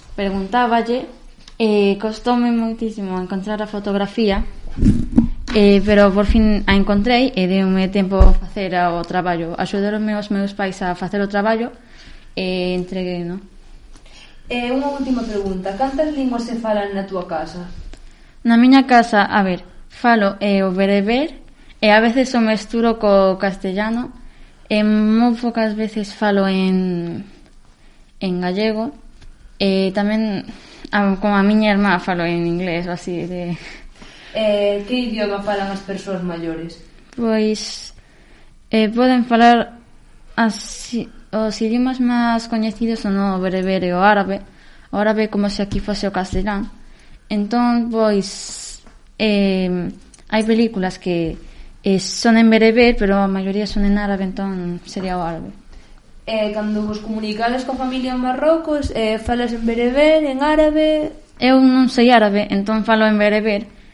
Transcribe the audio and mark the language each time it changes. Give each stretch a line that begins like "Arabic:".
Spanish: Preguntáballe, costóme muchísimo encontrar la fotografía, pero por fin la encontré y déme tiempo a hacer o trabajo. Ayudaronme los
Galician: meus pais
Spanish: a hacer o trabajo y entregué, ¿no? Una última pregunta. ¿Cuántas lenguas
Galician: se falan
Spanish: en tu casa?
Galician: Na miña casa, a ver, falo o bereber. A veces o mesturo co castellano, moi pocas veces falo en gallego, tamén como a miña irmá falo en inglés o así de... Que idioma falan as persoas maiores? Pois poden falar os idiomas máis coñecidos son o bereber e o árabe como se aquí fose o castellán. Entón, pois hai películas que son en bereber, pero a maioría son en árabe, entón sería o árabe. Cando vos comunicades con familia en Marrocos, falas en bereber, en árabe? Eu non sei árabe, entón falo en bereber.